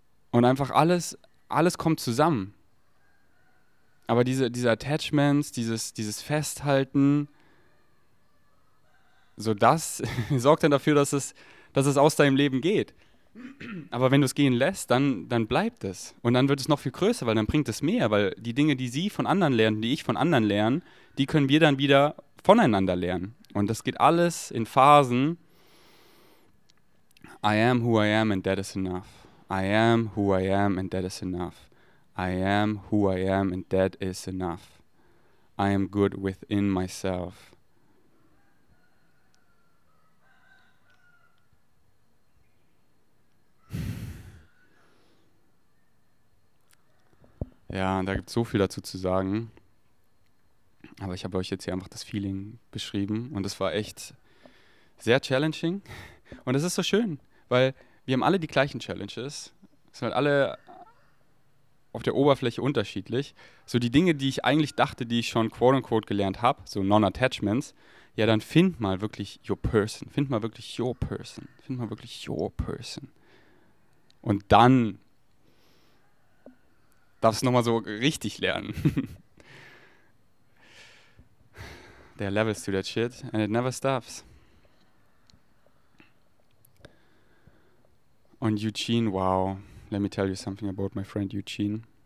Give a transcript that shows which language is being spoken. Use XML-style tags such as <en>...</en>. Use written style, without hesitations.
<de>Und einfach alles kommt zusammen. Aber diese Attachments, dieses Festhalten, so das sorgt dann dafür, dass es aus deinem Leben geht. Aber wenn du es gehen lässt, dann bleibt es. Und dann wird es noch viel größer, weil dann bringt es mehr. Weil die Dinge, die sie von anderen lernen, die ich von anderen lerne, die können wir dann wieder voneinander lernen. Und das geht alles in Phasen.</de> <en>I am who I am and that is enough. I am who I am and that is enough. I am who I am and that is enough. I am good within myself.</en> <de>Ja, da gibt es so viel dazu zu sagen. Aber ich habe euch jetzt hier einfach das Feeling beschrieben. Und es war echt sehr challenging. Und es ist so schön, weil wir haben alle die gleichen Challenges. Es sind halt alle auf der Oberfläche unterschiedlich. So die Dinge, die ich eigentlich dachte, die ich schon quote-unquote gelernt habe, so Non-Attachments, ja, dann find mal wirklich</de> <en>your person.</en> <de>Find mal wirklich</de> <en>your person.</en> <de>Find mal wirklich your person. Und dann darfst du nochmal so richtig lernen.</de> <en>There are levels to that shit and it never stops. Und Eugene, wow. Let me tell you something about my friend Eugene.</en>